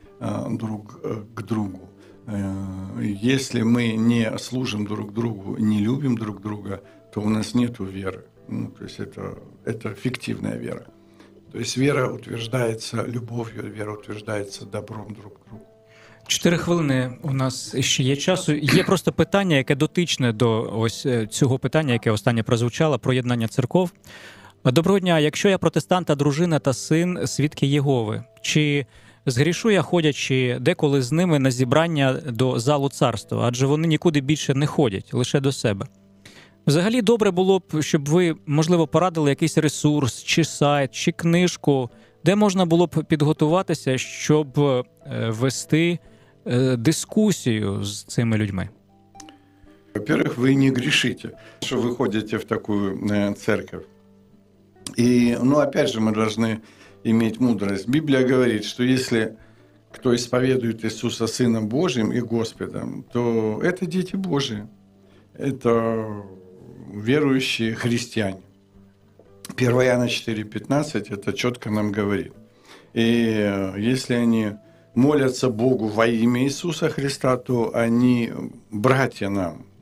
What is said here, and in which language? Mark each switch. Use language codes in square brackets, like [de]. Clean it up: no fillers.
[ru] друг к другу. Если мы не служим друг другу, не любим друг друга, то у нас нет веры. Ну, то есть это фиктивная вера. То есть вера утверждается любовью, вера утверждается добром друг к другу. [uk] 4 хвилини у нас ще є часу. Є просто питання, яке дотичне до ось цього питання, яке останнє прозвучало, про єднання церков. Доброго дня, якщо я протестанта, дружина та син, свідки Єгови, чи згрішу я, ходячи деколи з ними на зібрання до залу царства, адже вони нікуди більше не ходять, лише до себе? Взагалі, добре було б, щоб ви, можливо, порадили якийсь ресурс, чи сайт, чи книжку, де можна було б підготуватися, щоб вести дискусію з цими людьми? [ru] Во-первых, [uk] ви не грішите, що ви ходите в таку церкву. І, ну, [ru] опять же, [uk] ми повинні [ru] иметь мудрость. Библия говорит, что если кто исповедует Иисуса Сыном Божьим и Господом, то это дети Божьи, это верующие христиане. 1 Иоанна 4:15 это четко нам говорит. И если они молятся Богу во имя Иисуса Христа, то они братья нам.